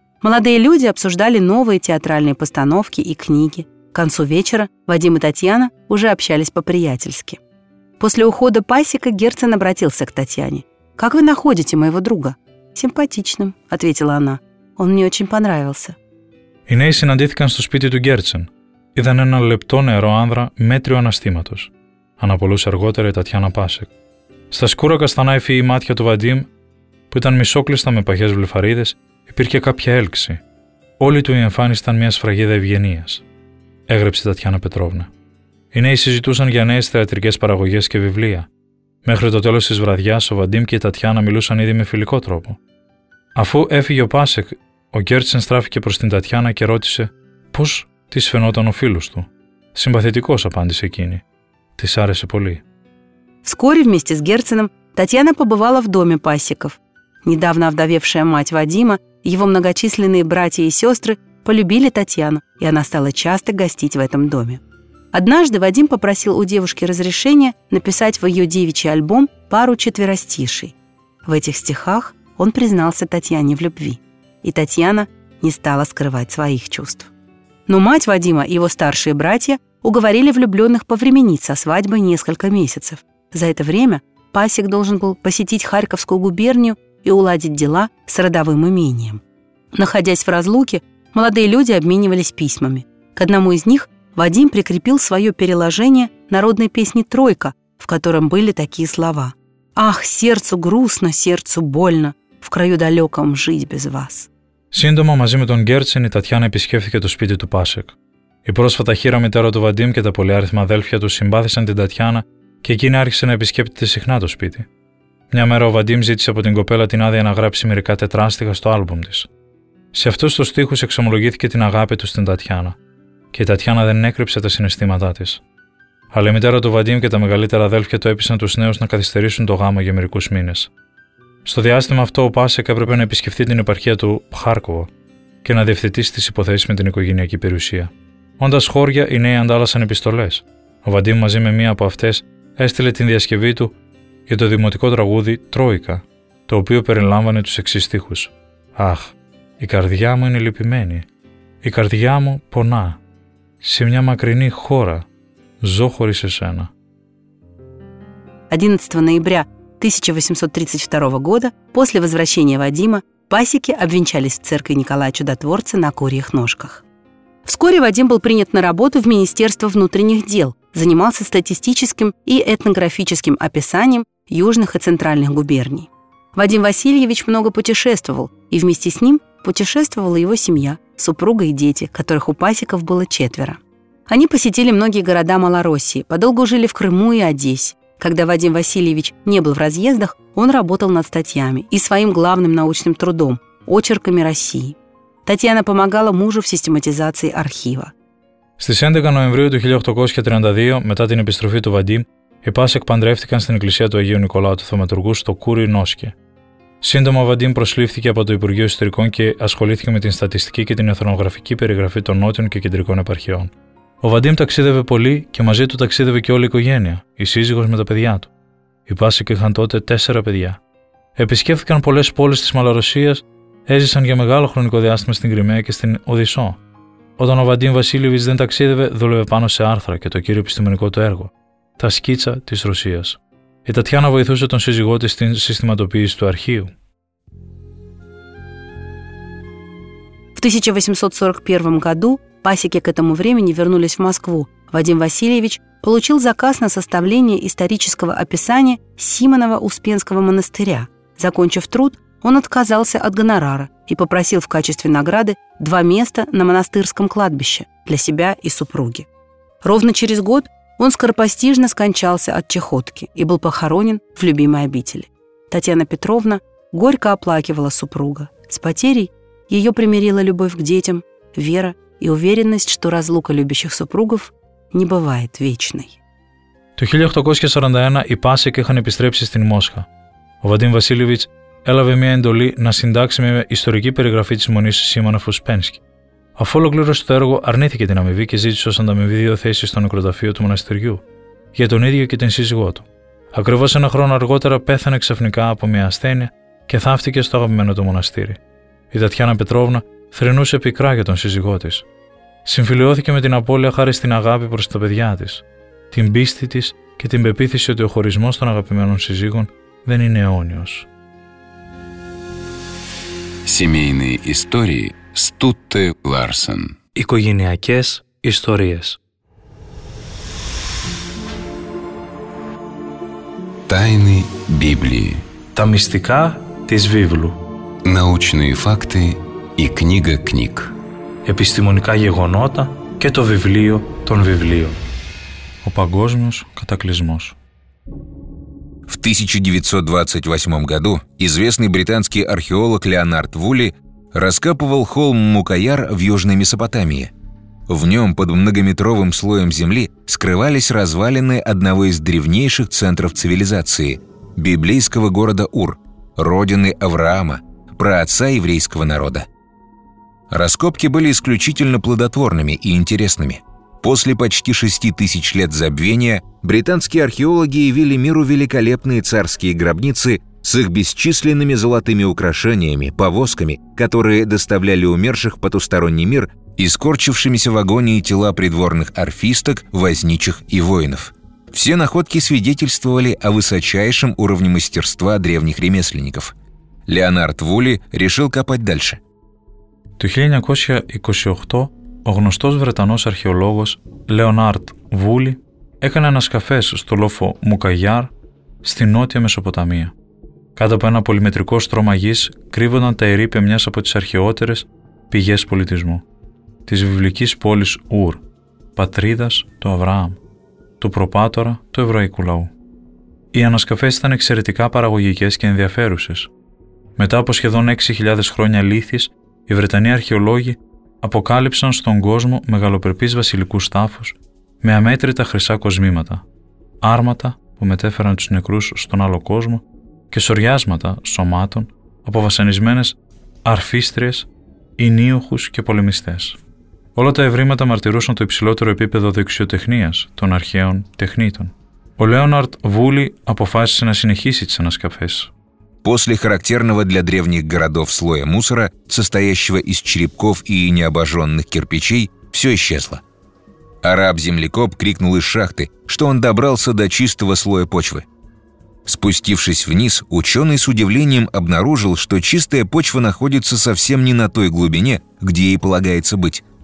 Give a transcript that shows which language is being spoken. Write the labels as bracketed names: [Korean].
[Russian] Молодые люди обсуждали новые театральные постановки и книги. К концу вечера Вадим и Татьяна уже общались по-приятельски. После ухода Пасека Герцен обратился к Татьяне. «Как вы находите моего друга?» «Симпатичным», — ответила она. «Он мне очень понравился». И ней [Greek] συναντήθηκαν στο σπίτι του Герцен. Είδαν ένα λεπτό νεαρό άνδρα μέτριο αναστήματος, αναπολούσε αργότερα η Τατιάνα Πάσεκ. Στα σκούρα καστανά υφή μάτια του Βαντίμ, που ήταν μισόκλειστα με παχές βλεφαρίδες, υπήρχε κάποια έλξη. Όλη του η εμφάνιση ήταν μια σφραγίδα ευγενίας, έγραψε η Τατιάνα Πετρόβνα. Οι νέοι συζητούσαν για νέες θεατρικές παραγωγές και βιβλία. Μέχρι το τέλος της βραδιάς, ο Βαντίμ και η Τατιάνα μιλούσαν ήδη με φιλικό τρόπο. Αφού έφυγε ο Πάσεκ, ο Γκέρτσεν στράφηκε προς την Τατιάνα και ρώτησε πώς. Της φαινόταν ο φίλος του. Συμπαθητικός, απάντησε εκείνη. Της άρεσε πολύ. [Russian] Вскоре вместе с Герценом Татьяна побывала в доме Пасеков. Недавно овдовевшая мать Вадима, его многочисленные братья и сестры полюбили Татьяну, и она стала часто гостить в этом доме. Однажды Вадим попросил у девушки разрешения написать в ее девичий альбом пару четверостиший. В этих стихах он признался Татьяне в любви. И Татьяна не стала скрывать своих чувств. Но мать Вадима и его старшие братья уговорили влюбленных повременить со свадьбой несколько месяцев. За это время Пасек должен был посетить Харьковскую губернию и уладить дела с родовым имением. Находясь в разлуке, молодые люди обменивались письмами. К одному из них Вадим прикрепил свое переложение народной песни «Тройка», в котором были такие слова. «Ах, сердцу грустно, сердцу больно, в краю далеком жить без вас. [Greek] Σύντομα μαζί με τον Γκέρτσεν η Τατιάνα επισκέφθηκε το σπίτι του Πάσεκ. Η πρόσφατα χείρα μητέρα του Βαντίμ και τα πολυάριθμα αδέλφια του συμπάθησαν την Τατιάνα και εκείνη άρχισε να επισκέπτεται συχνά το σπίτι. Μια μέρα ο Βαντίμ ζήτησε από την κοπέλα την άδεια να γράψει μερικά τετράστιχα στο άλμπουμ της. Σε αυτούς τους στίχους εξομολογήθηκε την αγάπη του στην Τατιάνα και η Τατιάνα δεν έκρυψε τα συναισθήματά της. Αλλά η μητέρα του Βαντίμ και τα μεγαλύτερα αδέλφια το έπεισαν τους νέους να καθυστερήσουν το γάμο για μερικούς μήνες. Στο διάστημα αυτό, ο Πάσεκ έπρεπε να επισκεφτεί την επαρχία του Χάρκοβο και να διευθετήσει τις υποθέσεις με την οικογενειακή περιουσία. Όντας χώρια, οι νέοι αντάλλασαν επιστολές. Ο Βαντίμ μαζί με μία από αυτές έστειλε την διασκευή του για το δημοτικό τραγούδι Τρόικα, το οποίο περιλάμβανε τους εξής στίχους. Αχ, η καρδιά μου είναι λυπημένη. Η καρδιά μου πονά. Σε μια μακρινή χώρα ζω χωρίς εσένα. [Russian] 11 Νοεμβρίου 1832 года, после возвращения Вадима, пасеки обвенчались в церкви Николая Чудотворца на курьих ножках. Вскоре Вадим был принят на работу в Министерство внутренних дел, занимался статистическим и этнографическим описанием южных и центральных губерний. Вадим Васильевич много путешествовал, и вместе с ним путешествовала его семья, супруга и дети, которых у пасеков было четверо. Они посетили многие города Малороссии, подолгу жили в Крыму и Одессе. Когда Вадим Васильевич не был в разъездах, он работал над статьями и своим главным научным трудом – очерками России. Татьяна помогала мужу в систематизации архива. [Greek] Στις 11 Νοεμβρίου του 1832, μετά την επιστροφή του Βαντίμ, οι Πάσεκ παντρεύτηκαν στην εκκλησία του Αγίου Νικολάου του Θωματουργού στο Κούρι Νόσκε. Σύντομα, ο Βαντίμ προσλήφθηκε από το Υπουργείο Ιστορικών και ασχολήθηκε με την στατιστική και την εθνογραφική περιγραφή των νότιων και κεντρικών επαρχιών. Ο Βαντίμ ταξίδευε πολύ και μαζί του ταξίδευε και όλη η οικογένεια, η σύζυγος με τα παιδιά του. Οι Πάσεκ είχαν τότε 4 παιδιά. Επισκέφθηκαν πολλές πόλεις της Μαλαρωσίας, έζησαν για μεγάλο χρονικό διάστημα στην Κρυμαία και στην Οδυσσό. Όταν ο Βαντίμ Βασίλειβιτς δεν ταξίδευε, δούλευε πάνω σε άρθρα και το κύριο επιστημονικό του έργο, τα σκίτσα της Ρωσίας. Η Τατιάνα βοηθούσε τον σύζυγό της στην συστηματοποίηση του αρχείου. [Russian] В 1841 году пасеки к этому времени вернулись в Москву. Вадим Васильевич получил заказ на составление исторического описания Симонова-Успенского монастыря. Закончив труд, он отказался от гонорара и попросил в качестве награды два места на монастырском кладбище для себя и супруги. Ровно через год он скоропостижно скончался от чахотки и был похоронен в любимой обители. Татьяна Петровна горько оплакивала супруга. С потерей ее примирила любовь к детям, вера и уверенность, что разлука любящих супругов не бывает вечной. [Greek] Το 1841 οι Πάσεκ είχαν επιστρέψει στην Μόσχα. Ο Βαντίμ Βασίλειβιτς έλαβε μια εντολή να συντάξει μια ιστορική περιγραφή της μονής Σίμονοφ-Ουσπένσκι. Αφού ολοκλήρωσε το έργο, αρνήθηκε την αμοιβή και ζήτησε ως ανταμοιβή δύο θέσεις στο νεκροταφείο του μοναστηριού, για τον ίδιο και την σύζυγό του. Ακριβώς ένα χρόνο αργότερα πέθανε ξαφνικά από μια ασθένεια και θάφτηκε στο αγαπημένο του μοναστήρι. Η Τατιάνα Πετρόβνα θρυνούσε πικρά για τον σύζυγό της. Συμφιλιώθηκε με την απώλεια χάρη στην αγάπη προς τα παιδιά της, την πίστη της και την πεποίθηση ότι ο χωρισμός των αγαπημένων σύζυγων δεν είναι αιώνιος. [Russian] Семейные истории Стутте Ларсен. [Greek] Οικογενειακές ιστορίες. [Russian] Тайны Библии. [Greek] Τα μυστικά της Βίβλου. [Russian] Научные факты и книга книг. [Greek] Επιστημονικά γεγονότα και το βιβλίο των βιβλίων. Ο παγκόσμιος κατακλυσμός. [Russian] В 1928 году известный британский археолог Леонард Вули раскапывал холм Мукаяр в Южной Месопотамии. В нем под многометровым слоем земли скрывались развалины одного из древнейших центров цивилизации – библейского города Ур, родины Авраама, праотца еврейского народа. Раскопки были исключительно плодотворными и интересными. После почти 6000 лет забвения британские археологи явили миру великолепные царские гробницы с их бесчисленными золотыми украшениями, повозками, которые доставляли умерших в потусторонний мир и скорчившимися в агонии тела придворных орфисток, возничих и воинов. Все находки свидетельствовали о высочайшем уровне мастерства древних ремесленников. Леонард Вули решил копать дальше. [Greek] Το 1928 ο γνωστός Βρετανός αρχαιολόγος Λεονάρντ Βούλι έκανε ανασκαφές στο λόφο Μουκαγιάρ στη Νότια Μεσοποταμία. Κάτω από ένα πολυμετρικό στρώμα γης κρύβονταν τα ερείπια μιας από τις αρχαιότερες πηγές πολιτισμού, της βιβλικής πόλης Ουρ, πατρίδας του Αβραάμ, του προπάτορα του εβραϊκού λαού. Οι ανασκαφές ήταν εξαιρετικά παραγωγικές και ενδιαφέρουσες. Μετά από σχεδόν 6.000 χρόνια λήθης, οι Βρετανοί αρχαιολόγοι αποκάλυψαν στον κόσμο μεγαλοπρεπείς βασιλικούς τάφους με αμέτρητα χρυσά κοσμήματα, άρματα που μετέφεραν τους νεκρούς στον άλλο κόσμο και σωριάσματα σωμάτων από βασανισμένες αρφίστριες, ηνίοχους και πολεμιστές. Όλα τα ευρήματα μαρτυρούσαν το υψηλότερο επίπεδο δεξιοτεχνίας των αρχαίων τεχνίτων. Ο Λέοναρντ Βούλι αποφάσισε να συνεχίσει τις ανασκαφές. [Russian] После характерного для древних городов слоя мусора, состоящего из черепков и необожженных кирпичей, все исчезло. Араб-землекоп крикнул из шахты, что он добрался до чистого слоя почвы. Спустившись вниз, ученый с удивлением обнаружил, что чистая почва находится совсем не на той глубине, где ей полагается быть.